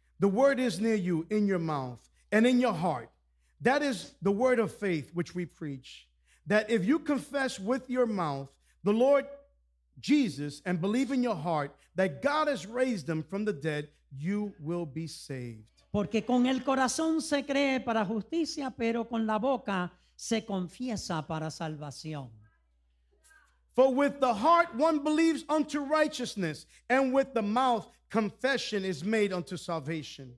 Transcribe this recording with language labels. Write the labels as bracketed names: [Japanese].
[English] The word is near you, in your mouth and in your heart. That is the word of faith which we preach, that if you confess with your mouth the Lord Jesus and believe in your heart that God has raised him from the dead, you will be saved. [Spanish] Porque con el corazón se cree para justicia, pero con la boca se confiesa para salvación. [English] For with the heart one believes unto righteousness, and with the mouth confession is made unto salvation.